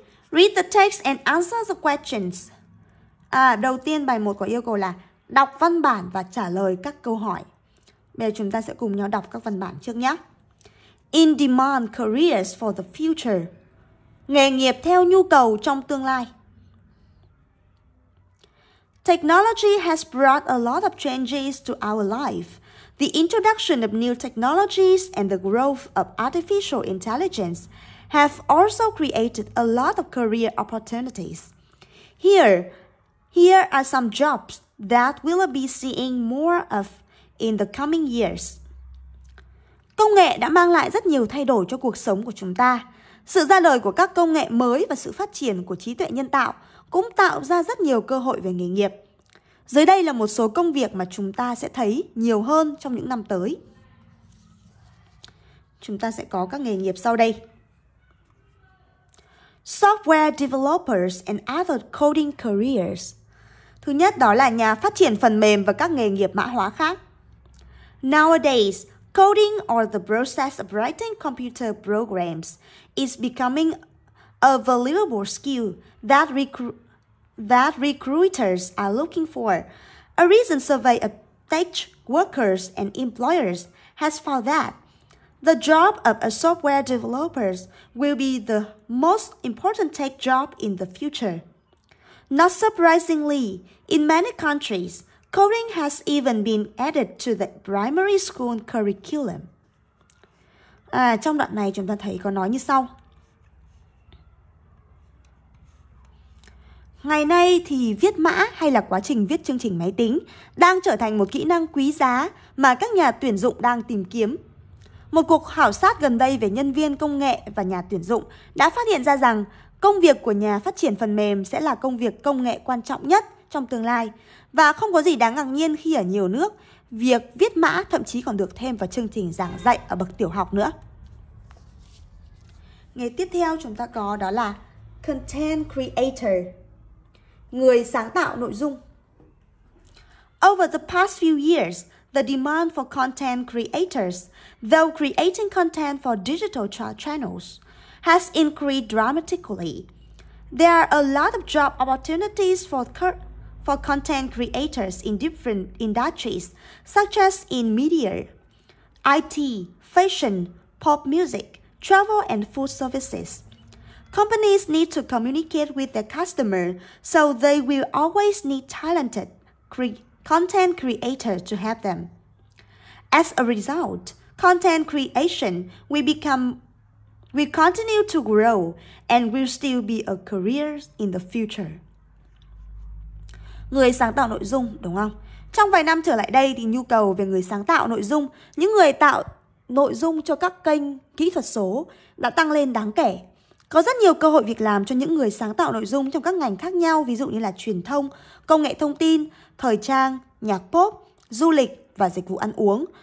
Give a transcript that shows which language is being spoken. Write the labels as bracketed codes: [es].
[en] Read the text and answer the questions. [vi] Đầu tiên bài 1 có yêu cầu là đọc văn bản và trả lời các câu hỏi. Bây giờ chúng ta sẽ cùng nhau đọc các văn bản trước nhé. [en] In demand careers for the future. [vi] Nghề nghiệp theo nhu cầu trong tương lai. [en] Technology has brought a lot of changes to our life. The introduction of new technologies and the growth of artificial intelligence have also created a lot of career opportunities. Here are some jobs that we'll be seeing more of in the coming years. [vi] Công nghệ đã mang lại rất nhiều thay đổi cho cuộc sống của chúng ta. Sự ra đời của các công nghệ mới và sự phát triển của trí tuệ nhân tạo cũng tạo ra rất nhiều cơ hội về nghề nghiệp. Dưới đây là một số công việc mà chúng ta sẽ thấy nhiều hơn trong những năm tới. Chúng ta sẽ có các nghề nghiệp sau đây. [en] Software developers and other coding careers. [vi] Thứ nhất đó là nhà phát triển phần mềm và các nghề nghiệp mã hóa khác. [en] Nowadays, coding or the process of writing computer programs is becoming a valuable skill that recruiters are looking for. A recent survey of tech workers and employers has found that the job of a software developer will be the most important tech job in the future. Not surprisingly, in many countries, coding has even been added to the primary school curriculum. [vi] Trong đoạn này chúng ta thấy có nói như sau. Ngày nay thì viết mã hay là quá trình viết chương trình máy tính đang trở thành một kỹ năng quý giá mà các nhà tuyển dụng đang tìm kiếm. Một cuộc khảo sát gần đây về nhân viên công nghệ và nhà tuyển dụng đã phát hiện ra rằng công việc của nhà phát triển phần mềm sẽ là công việc công nghệ quan trọng nhất trong tương lai. Và không có gì đáng ngạc nhiên khi ở nhiều nước, việc viết mã thậm chí còn được thêm vào chương trình giảng dạy ở bậc tiểu học nữa. Nghề tiếp theo chúng ta có đó là content creator, người sáng tạo nội dung. [en] Over the past few years, the demand for content creators, though creating content for digital channels, has increased dramatically. There are a lot of job opportunities for content creators in different industries, such as in media, IT, fashion, pop music, travel and food services. Companies need to communicate with their customer, so they will always need talented content creators to help them. As a result, content creation will continue to grow and will still be a career in the future. [vi] Người sáng tạo nội dung, đúng không? Trong vài năm trở lại đây thì nhu cầu về người sáng tạo nội dung, những người tạo nội dung cho các kênh kỹ thuật số đã tăng lên đáng kể. Có rất nhiều cơ hội việc làm cho những người sáng tạo nội dung trong các ngành khác nhau, ví dụ như là truyền thông, công nghệ thông tin, thời trang, nhạc pop, du lịch và dịch vụ ăn uống.